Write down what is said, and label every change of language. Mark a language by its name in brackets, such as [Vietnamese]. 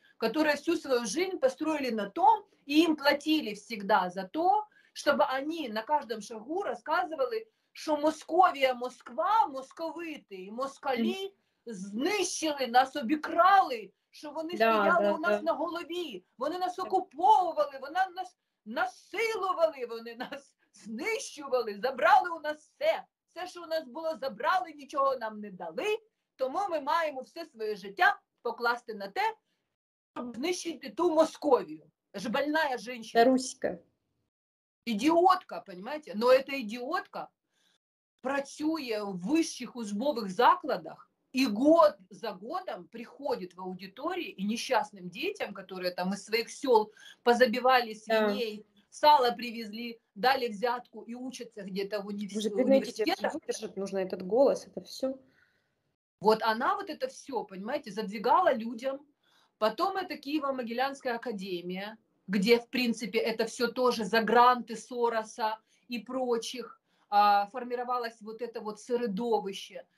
[Russian] которые всю свою жизнь построили на том, и им платили всегда за то, чтобы они на каждом шагу рассказывали, что Московия, Москва, московиты, москали [Ukrainian] знищили нас, обікрали, що вони стояли у нас на голові, вони нас окуповували, вони нас насилували, вони нас знищували, забрали у нас все. Все, що у нас було, забрали, нічого нам не дали, тому ми маємо все своє життя покласти на те, щоб знищити ту Московію. Жбальна жінка. Руська. Ідіотка, понимаете? [Russian] Но эта идиотка [Ukrainian] працює в вищих учбових закладах і год за годом приходить в аудиторії і нещасним дітям, які там із своїх сіл позабивали свиней, сало привезли, [Russian] дали взятку и учатся где-то в университетах. Уже, нужно этот голос, это все. Вот она вот это все, понимаете, задвигала людям. Потом это Киево-Могилянская академия, где, в принципе, это все тоже за гранты Сороса и прочих формировалось вот это вот сыродовище.